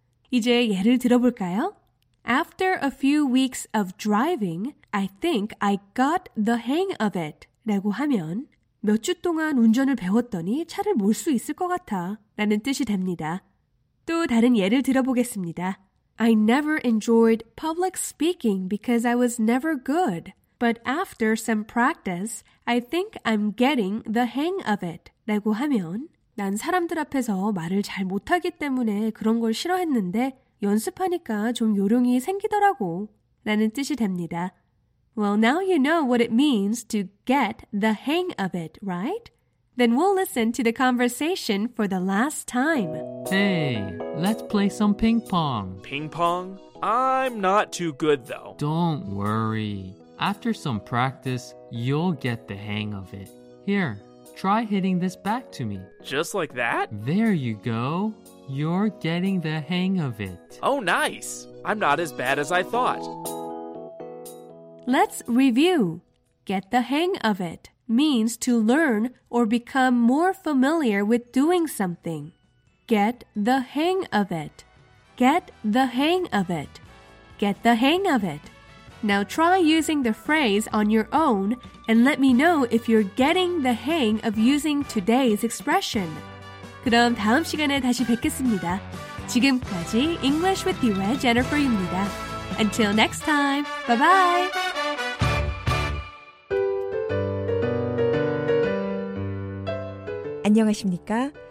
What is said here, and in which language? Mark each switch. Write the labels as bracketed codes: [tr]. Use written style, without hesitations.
[ko] 이제 예를 들어볼까요? [en] After a few weeks of driving, I think I got the hang of it [ko] 라고 하면 몇 주 동안 운전을 배웠더니 차를 몰 수 있을 것 같아 라는 뜻이 됩니다. 또 다른 예를 들어보겠습니다. [en] I never enjoyed public speaking because I was never good. But after some practice, I think I'm getting the hang of it. [ko] 라고 하면 난 사람들 앞에서 말을 잘 못하기 때문에 그런 걸 싫어했는데 연습하니까 좀 요령이 생기더라고 라는 뜻이 됩니다. [en] Well, now you know what it means to get the hang of it, right? Then we'll listen to the conversation for the last time. Hey, let's play some ping pong. Ping pong? I'm not too good, though. Don't worry. After some practice, you'll get the hang of it. Here, try hitting this back to me. Just like that? There you go. You're getting the hang of it. Oh, nice. I'm not as bad as I thought. Let's review. Get the hang of it. Means to learn or become more familiar with doing something. Get the hang of it. Get the hang of it. Get the hang of it. Now try using the phrase on your own and let me know if you're getting the hang of using today's expression. [ko] 그럼 다음 시간에 다시 뵙겠습니다. 지금까지 English with you의 Jennifer입니다. [en] Until next time, bye-bye! [ko] "안녕하십니까?